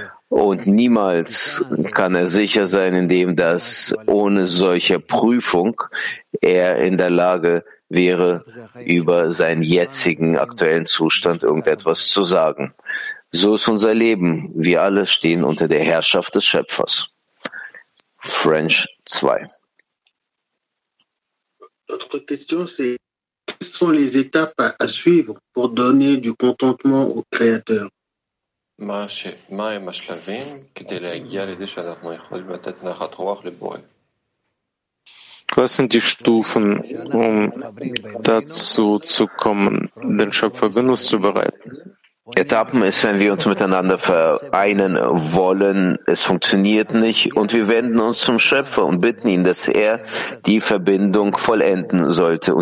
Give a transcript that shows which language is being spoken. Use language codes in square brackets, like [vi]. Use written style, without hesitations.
[de] Und niemals kann er sicher sein, indem das ohne solche Prüfung er in der Lage wäre, über seinen jetzigen aktuellen Zustand irgendetwas zu sagen. So ist unser Leben. Wir alle stehen unter der Herrschaft des Schöpfers. [en] French 2. [fr] Notre question, c'est quelles sont les étapes à suivre pour donner du contentement au Créateur? [de] Was sind die Stufen, um dazu zu kommen, den Schöpfer Genuss zu bereiten? Etappen ist, wenn wir uns miteinander vereinen wollen, es funktioniert nicht und wir wenden uns zum Schöpfer und bitten ihn, dass er die Verbindung vollenden sollte.